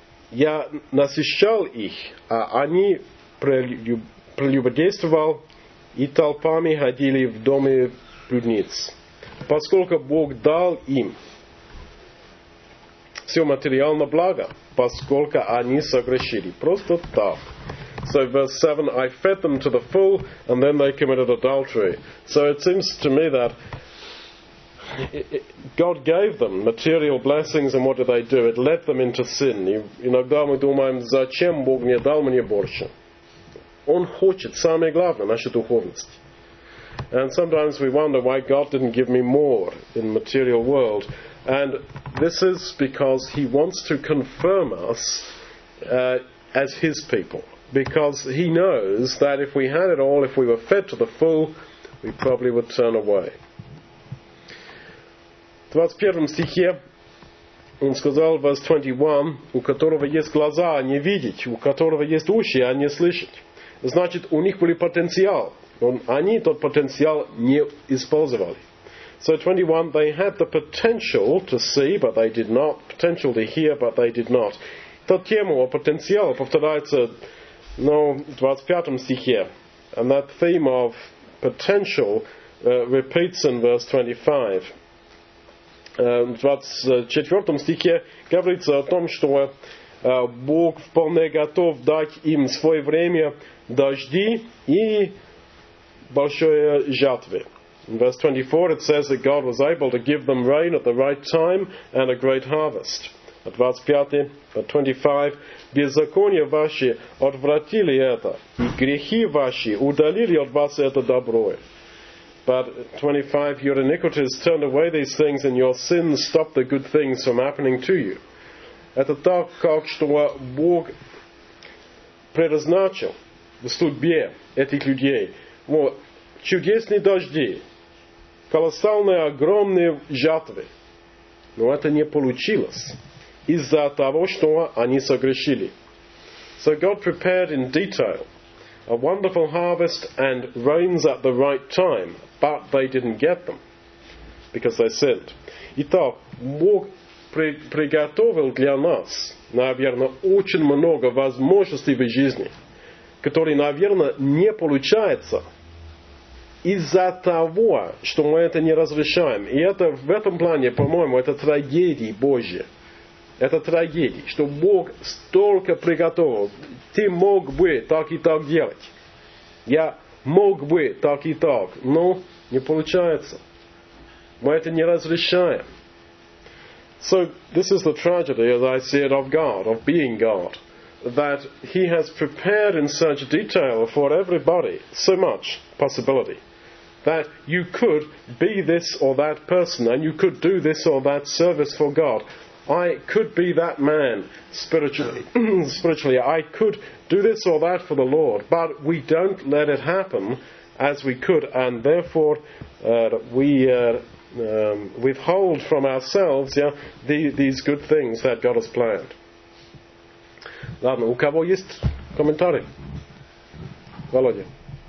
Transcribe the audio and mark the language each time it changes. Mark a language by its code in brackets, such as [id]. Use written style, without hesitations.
[ru] Я насыщал их, а они прелюбодействовал, и толпами ходили в доме блудниц. Поскольку Бог дал им все материальное благо, поскольку они согрешили. Просто так. [en] So verse 7, I fed them to the full, and then they committed adultery. So it seems to me that God gave them material blessings, and what did they do? It led them into sin. [ru] Иногда мы думаем, зачем Бог мне дал мне больше? Он хочет, самое главное, нашу духовность. [en] And sometimes we wonder why God didn't give me more in the material world. And this is because He wants to confirm us as His people. Because He knows that if we had it all, if we were fed to the full, we probably would turn away. [ru] В 21 стихе он сказал, [en] verse 21, [ru] у которого есть глаза, а не видеть, у которого есть уши, а не слышать. Значит, у них был потенциал, но они тот потенциал не использовали. [en] So 21, they had the potential to see, but they did not. Potential to hear, but they did not. [ru] Та тема, о потенциал, повторяется, но в 25 стихе. [en] And that theme of potential repeats in verse 25. [ru] В 24 стихе говорится о том, что Бог вполне готов дать им свое время дожди и большое жатвы. [en] In verse 24 it says that God was able to give them rain at the right time and a great harvest. At 25, [ru] беззаконие ваши отвратили это, и грехи ваши удалили от вас это добро. [en] But 25, your iniquities turned away these things, and your sins stopped the good things from happening to you. [ru] Это так, как что Бог предназначил в судьбе этих людей. Вот, чудесные дожди, колоссальные, огромные жатвы. Но это не получилось из-за того, что они согрешили. [en] So God prepared in detail a wonderful harvest and rains at the right time. But they didn't get them, because they sinned. [ru] Итак, Бог приготовил для нас, наверное, очень много возможностей в жизни, которые, наверное, не получаются из-за того, что мы это не разрешаем. И это в этом плане, по-моему, это трагедия Божья. Это трагедия, что Бог столько приготовил. Ты мог бы так и так делать. Я мог бы так и так, но не получается. Мы это не разрешаем. [en] So, this is the tragedy, as I see it, of God, of being God, that He has prepared in such detail for everybody so much possibility that you could be this or that person and you could do this or that service for God. I could be that man spiritually. Spiritually, I could do this or that for the Lord, but we don't let it happen as we could, and therefore we withhold from ourselves these good things that God has planned. [ru] Ладно, у кого есть комментарий? Володя.